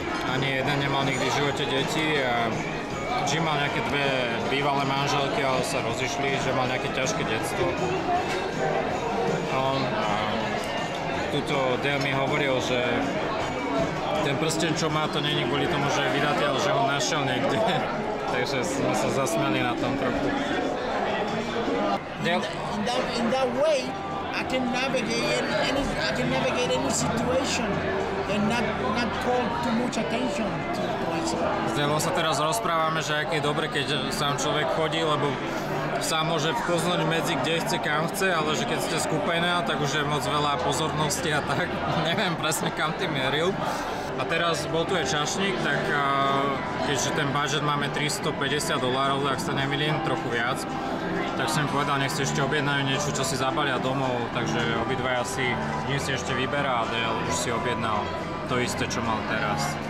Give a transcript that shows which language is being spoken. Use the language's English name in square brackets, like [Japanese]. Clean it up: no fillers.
[Slovak] Ani jeden nemal nikdy v živote deti. Jim mal nejaké dve bývalé manželky, ale sa rozišli, že mal nejaké ťažké detstvo. On a tuto Dale mi hovoril, že ten prsten, čo má, to není kvôli tomu, že je vydatý, ale že ho našiel niekde. Takže sme sa zasmiali na tom trochu. [English] In that way, I can navigate any situation and not call too much attention to myself. [Slovak] Zdeľo sa teraz rozprávame, že aké je dobre, keď sám človek chodí, lebo sám môže vklznúť medzi kde chce, kam chce, ale že keď ste skupené, tak už je moc veľa pozornosti a tak. Neviem presne, kam ty mieril. A teraz bol tu aj čašník, tak keďže ten budget máme $350, ak sa nemýlim, trochu viac, tak som povedal, nech si ešte objednajú niečo, čo si zabalia domov, takže obidvaja si dnes si ešte vyberá a Dale už si objednal to isté, čo mal teraz.